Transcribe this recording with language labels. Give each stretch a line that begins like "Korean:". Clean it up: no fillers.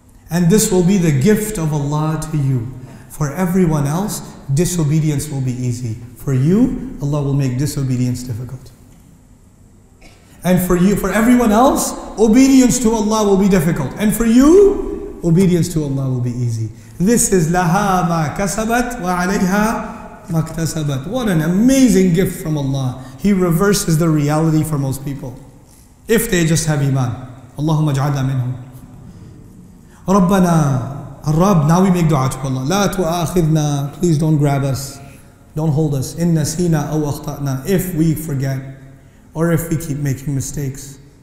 English: And this will be the gift of Allah to you. For everyone else, disobedience will be easy. For you, Allah will make disobedience difficult. And for you, for everyone else, obedience to Allah will be difficult. And for you, obedience to Allah will be easy. This is
Arabic: لَهَا مَا كَسَبَتْ وَعَلَيْهَا مَا اكْتَسَبَتْ.
English: What an amazing gift from Allah. He reverses the reality for most people. If they just have iman.
Arabic: اللهم اجعلنا منهم. رَبَّنَا الرَّبْ.
English: Now we make dua to Allah.
Arabic: لَا تُؤَاخِذْنَا.
English: Please don't grab us. Don't hold us.
Arabic: إِن نَسِينَا أَوْ أَخْطَأْنَا.
English: If we forget, or if we keep making mistakes.